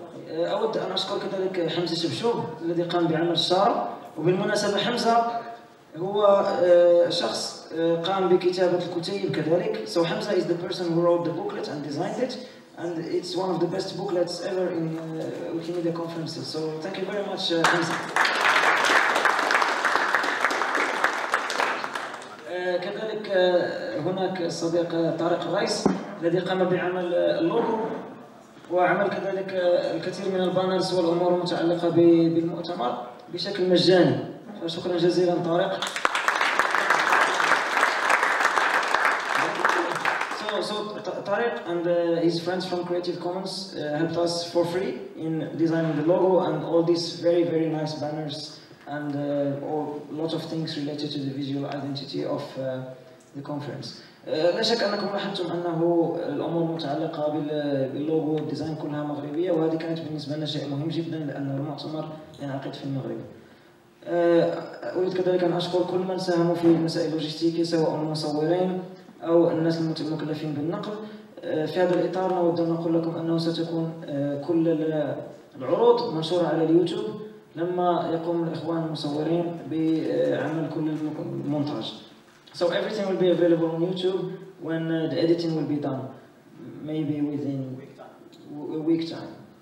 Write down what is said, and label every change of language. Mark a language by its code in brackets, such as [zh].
[ar] أود أن أشكر كذلك حمزة شبشوب الذي قام بعمل شار، وبالمناسبة حمزة هو شخص قام بكتابة الكتيب كذلك. [en] So حمزة is the person who wrote the booklet and designed it and it's one of the best booklets ever in Wikimedia conferences. So thank you very much حمزة. [ar] كذلك هناك صديق طارق الرئيس الذي قام بعمل اللوجو وعمل كذلك الكثير من البانرز والامور المتعلقه بالمؤتمر بشكل مجاني، فشكرا جزيلا طارق. [en] So Tariq and his friends from Creative Commons helped us for free in designing the logo and all these very very nice banners and all lot of things related to the visual identity of the conference. [ar] لا شك انكم لاحظتم انه الامور المتعلقه باللوجو والديزاين كلها مغربيه، وهذه كانت بالنسبه لنا شيء مهم جدا لان المؤتمر ينعقد في المغرب. اريد كذلك ان اشكر كل من ساهموا في المسائل اللوجستيكيه سواء المصورين او الناس المكلفين بالنقل. في هذا الاطار نود ان نقول لكم انه ستكون كل العروض منشوره على اليوتيوب لما يقوم الإخوان المصورين بعمل كل المونتاج. [en] So everything will be available on YouTube when the editing will be done, maybe within a week time.